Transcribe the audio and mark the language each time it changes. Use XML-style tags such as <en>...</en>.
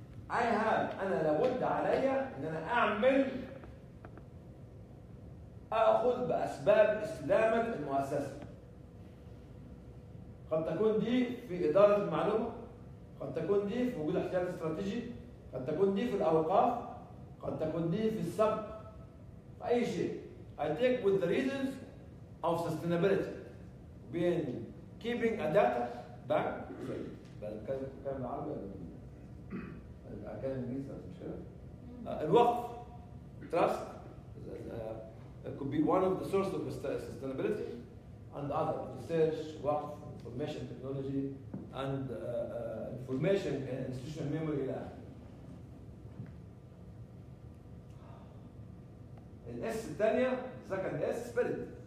<en>I have,</en> <ar>أنا لابد علي إن أنا أعمل أخذ بأسباب استدامة المؤسسة. قد تكون دي في إدارة المعلومة, قد تكون دي في وجود احتياط استراتيجي, قد تكون دي في الأوقاف, قد تكون دي في السبق, في أي شيء.</ar> <en>I take with the reasons of sustainability being keeping a data back.</en> <ar>كان العربي كان الإنجليزي مش كده. الوقف</ar> <en>trust it could be one of the sources of sustainability and other research, work, information technology and information and institutional memory.</en> <ar>الاس الثانية</ar> <en>second S spirit.</en>